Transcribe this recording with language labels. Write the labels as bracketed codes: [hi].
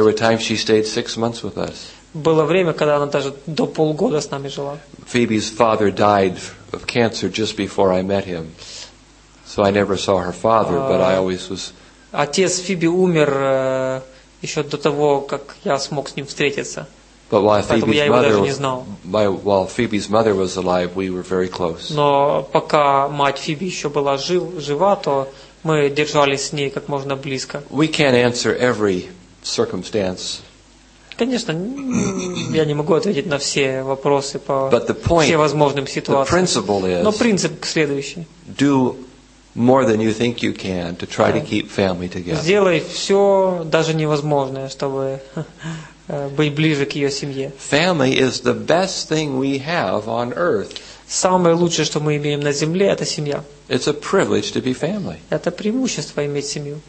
[en] There were times she stayed 6 months with us. [ru] Было время, когда она даже до полгода с нами жила. [en] Phoebe's father died of cancer just before I met him, so I never saw her father, but I always was. [ru] Отец Фиби умер еще до того, как я смог с ним встретиться. [en] But while Phoebe's mother while Phoebe's mother was alive, we were very close. [ru] Но пока мать Фиби еще была жива, то мы держались с ней как можно близко. [en] We can't answer every circumstance. [ru] Конечно, я не могу ответить на все вопросы по всем возможным ситуациям. Но принцип следующий. [en] Do more than you think you can to try to keep family together. [ru] Сделай все, даже невозможное, чтобы быть ближе к ее семье. [en] Family is the best thing we have on earth. [ru] Самое лучшее, что мы имеем на земле, это семья. [en] It's a privilege to be family. [ru] Это преимущество иметь семью.